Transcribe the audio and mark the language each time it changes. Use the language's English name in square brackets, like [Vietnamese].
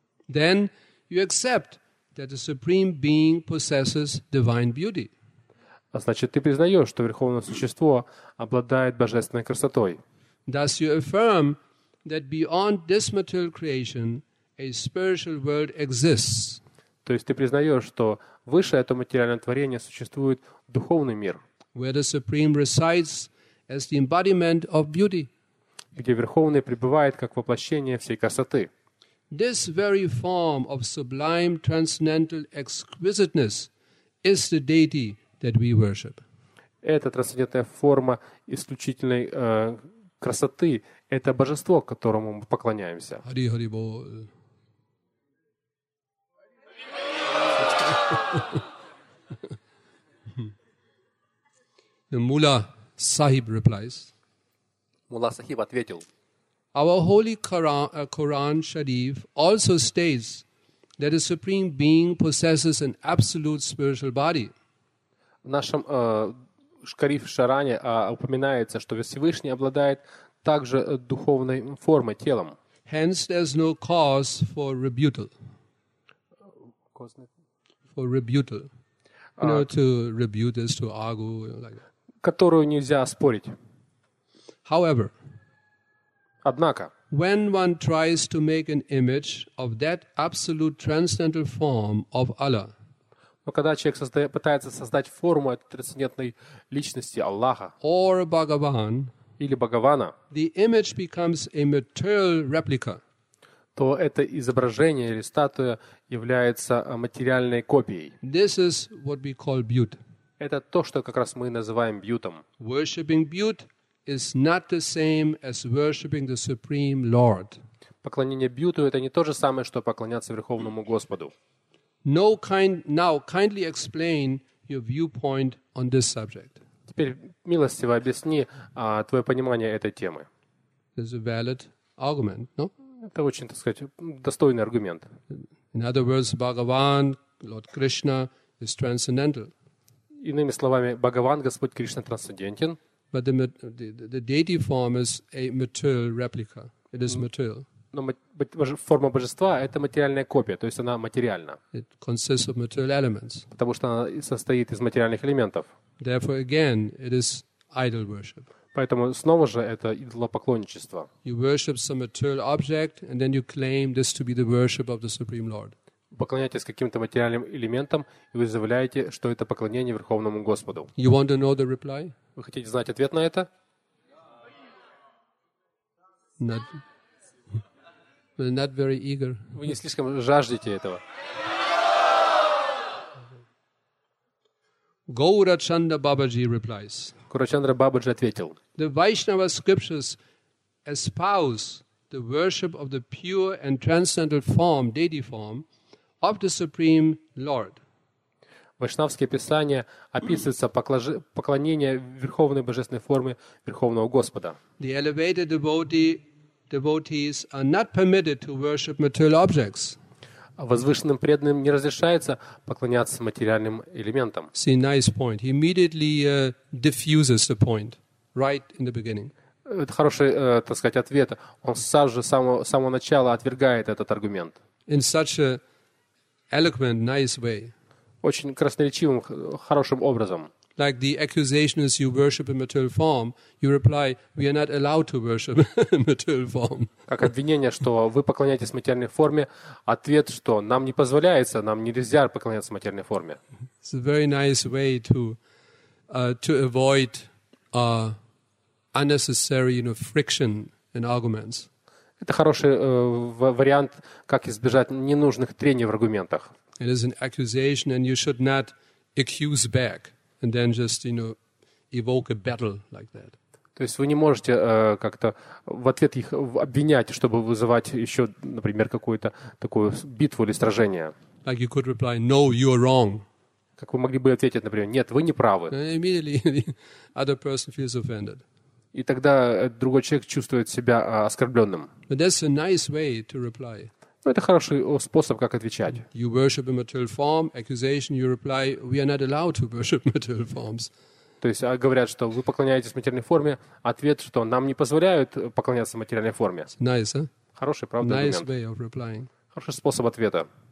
[English] Then you accept that the Supreme Being possesses divine beauty. [Russian] А значит, ты признаешь, что Верховное Существо обладает божественной красотой. [English] Thus you affirm that beyond this material creation a spiritual world exists. [Russian] То есть ты признаешь, что выше этого материального творения существует духовный мир. [English] Where the Supreme resides as the embodiment of beauty. [Russian] Где Верховный пребывает как воплощение всей красоты. [English] This very form of sublime transcendental exquisiteness is the deity that we worship. [Russian] Эта трансцендентная форма исключительной красоты – это божество, которому мы поклоняемся. [Bangla] Hari Hari Bol. [English] The Mullah Sahib replies. [Russian] Мулла Сахиб ответил. [English] Our holy Quran Sharif also states that a supreme being possesses an absolute spiritual body. [Russian] В нашем Шкариф Шаране упоминается, что Всевышний обладает также духовной формой, телом. [English] Hence there's no cause for rebuttal. For rebuttal. You know, to rebuttal is to argue like that. [Russian] Которую нельзя спорить. [English] However, [Russian] однако, [English] when one tries to make an image of that absolute transcendental form of Allah, [Russian] но когда человек пытается создать форму этой трансцендентной личности Аллаха, [English] or Bhagavan, [Russian] или Бхагавана, [English] the image becomes a material replica, [Russian] то это изображение или статуя является материальной копией. [English] This is what we call beauty. [Russian] Это то, что как раз мы называем бьютом. [English] Worshipping beauty is not the same as worshipping the Supreme Lord. [Russian] Поклонение бьюту это не то же самое, что поклоняться Верховному Господу. [English] No kind now kindly explain your viewpoint on this subject. [Russian] Теперь милостиво объясни твое понимание этой темы. [English] This is a valid argument, no? [Russian] Это очень, так сказать, достойный аргумент. [English] In other words, Bhagavan, Lord Krishna is transcendental. [Russian] Иными словами, Бхагаван, Господь Кришна трансцендентен. [English] But the deity form is a material replica. It is material. [Russian] Но форма божества – это материальная копия, то есть она материальна. [English] It consists of material elements. [Russian] Потому что она состоит из материальных элементов. [English] Therefore, again, it is idol worship. [Russian] Поэтому снова же это идолопоклонничество. [English] You worship some material object, and then you claim this to be the worship of the Supreme Lord. [Russian] Поклоняетесь каким-то материальным элементам, и вы заявляете, что это поклонение Верховному Господу. [English] You want to know the reply? [Russian] Вы хотите знать ответ на это? [English] Not very eager. [Russian] Вы не слишком жаждете этого. [English] Gaurachandra Babaji replies. [Russian] Gaurachandra Babaji ответил. [English] The Vaishnava scriptures espouse the worship of the pure and transcendental form, deity form, of the Supreme Lord. [Russian] Вайшнавские писания описываются поклонение Верховной Божественной Формы Верховного Господа. [English] The elevated devotees are not permitted to worship material objects. [Russian] Возвышенным преданным не разрешается поклоняться материальным элементам. [English] See, nice point. He immediately diffuses the point right in the beginning. [Russian] Это хороший, так сказать, ответ. Он сразу же с самого начала отвергает этот аргумент. [English] In such a eloquent, nice way. [Russian] Очень красноречивым, хорошим образом. [English] like the accusation is you worship in material form, you reply, we are not allowed to worship in material form. [Russian] Как обвинение, что вы поклоняетесь материальной форме, ответ, что нам не позволяется, нам нельзя поклоняться материальной форме. [English] It's a very nice way to avoid unnecessary, you know, friction in arguments. [Russian] Это хороший вариант, как избежать ненужных трений в аргументах. [English] It is an accusation, and you should not accuse back, and then just, you know, evoke a battle like that. [Russian] То есть вы не можете как-то в ответ их обвинять, чтобы вызывать еще, например, какую-то такую битву или сражение. [English] Like you could reply, "No, you are wrong." [Russian] Как вы могли бы ответить, например, "Нет, вы не правы." [English] And immediately the other person feels offended. [Russian] И тогда другой человек чувствует себя оскорбленным. [English] But that's a nice way to reply. [Russian] Ну, это хороший способ, как отвечать. [English] You worship in material form, accusation, you reply, we are not allowed to worship material forms. [Russian] То есть говорят, что вы поклоняетесь материальной форме, ответ, что нам не позволяют поклоняться материальной форме. [English] Nice, huh? [Russian] Хороший, правда, [English] nice [Russian] аргумент. [English] Way of replying. [Russian] Хороший способ ответа.